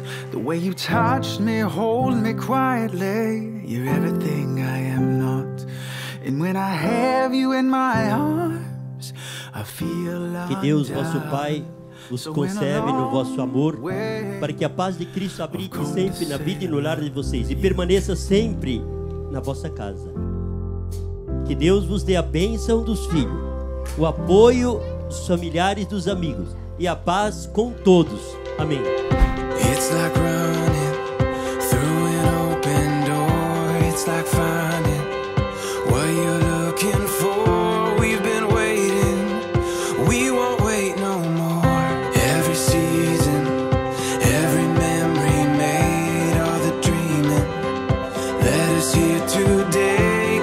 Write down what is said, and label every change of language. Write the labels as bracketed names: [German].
[English] The way you touch me, hold me quietly. You're everything I am not. And when I have you in my arms, I feel like I'm. [Portuguese] Que Deus, vosso Pai, os conserve no vosso amor, para que a paz de Cristo habite sempre na vida e no lar de vocês, e permaneça sempre na vossa casa. Que Deus vos dê a bênção dos filhos, o apoio dos familiares e dos amigos, e a paz com todos. Amém. [English] It's like running through an open door. It's like finding what you're looking for. We've been waiting, we won't wait no more. Every season, every memory made, all the dreaming led us here today.